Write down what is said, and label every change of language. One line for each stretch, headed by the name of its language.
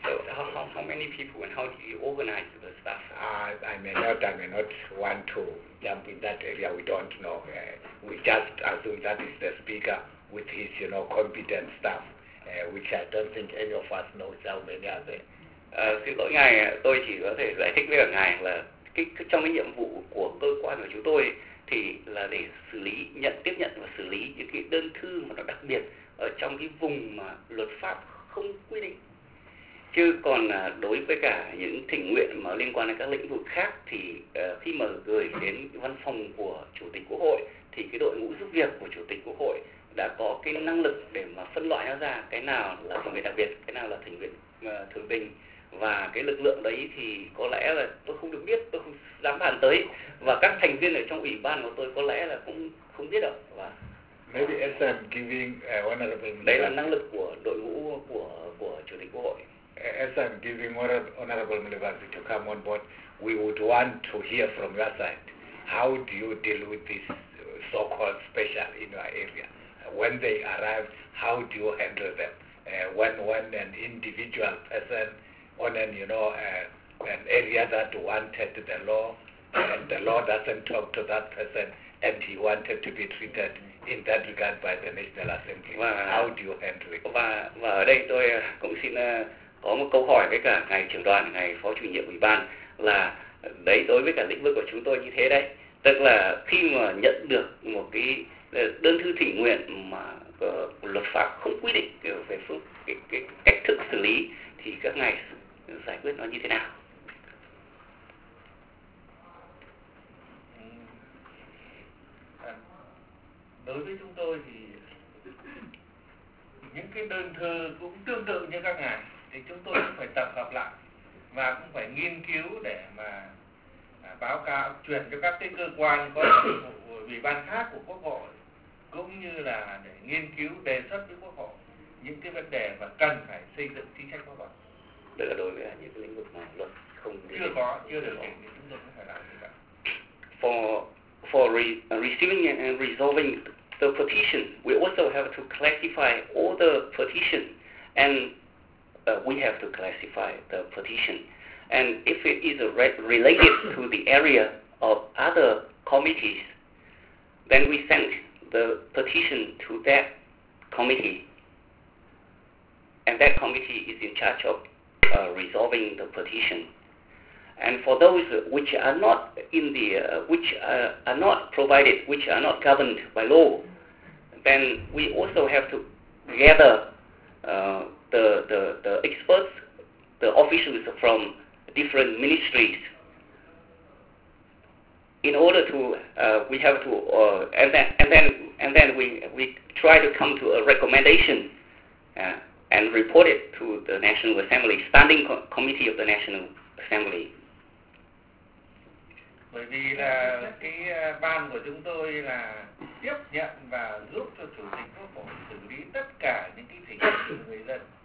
English: So how many people and how do you organize the staff? I may not want to jump in that area. We don't know. We just assume that is the Speaker with his, you know, competent staff, which I don't think any of us knows how many are there.
Vietnamese: Xin lỗi ngài, tôi chỉ có thể giải thích với cả ngài là trong cái nhiệm vụ của cơ quan của chúng tôi thì là để xử lý, tiếp nhận và xử lý những cái đơn thư mà nó đặc biệt ở trong cái vùng mà luật pháp không quy định. Chứ còn đối với cả những thỉnh nguyện mà liên quan đến các lĩnh vực khác thì khi mà gửi đến văn phòng của Chủ tịch Quốc hội thì cái đội ngũ giúp việc của Chủ tịch Quốc hội đã có cái năng lực để mà phân loại nó ra cái nào là thỉnh nguyện đặc biệt, cái nào là thỉnh nguyện thường bình. Và cái lực lượng đấy thì có lẽ là tôi không được biết, tôi không dám bàn tới. Và các thành viên ở trong ủy ban của tôi có lẽ là cũng không biết đâu. Và
English: maybe as I'm giving one honorable minister.
Vietnamese: Đấy là năng lực của đội ngũ của Chủ tịch Quốc hội.
English: As I'm giving one honorable minister to come on board, we would want to hear from your side. How do you deal with this so-called special in your area? When they arrive, how do you handle them? When an individual person on an, you know, an area that wanted the law, and the law doesn't talk to that person, and he wanted to be treated in that regard by the National Assembly.
Vietnamese: Và,
English: how do you handle it?
Vietnamese: Và ở đây tôi cũng xin có một câu hỏi với cả ngài trưởng đoàn, ngài phó chủ nhiệm ủy ban là đấy, đối với cả lĩnh vực của chúng tôi như thế đấy. Tức là khi mà nhận được một cái đơn thư thỉnh nguyện mà luật pháp không quy định về phương cái cách thức xử lý thì các ngài giải quyết nó như thế nào? đối với chúng tôi thì những cái đơn thư cũng tương tự như các ngài, thì chúng tôi cũng phải tập hợp lại và cũng phải nghiên cứu để mà báo cáo chuyển cho các cái cơ quan có ủy ban khác của Quốc hội, cũng như là để nghiên cứu đề xuất với Quốc hội những cái vấn đề mà cần phải xây dựng chính sách Quốc hội. Đây là đối với những cái lĩnh vực mà luật không chưa có, chưa được định thì chúng tôi cũng phải làm như vậy.
English: For receiving and resolving the petition, we also have to classify all the petition, and we have to classify the petition. And if it is related to the area of other committees, then we send the petition to that committee, and that committee is in charge of resolving the petition. And for those which are not in the which are not governed by law, then we also have to gather the experts, the officials from different ministries, in order to we try to come to a recommendation and report it to the National Assembly, Standing Committee of the National Assembly.
Vietnamese: Bởi vì là cái ban của chúng tôi là tiếp nhận và giúp cho chủ tịch quốc hội xử lý tất cả những cái thỉnh cầu của người dân.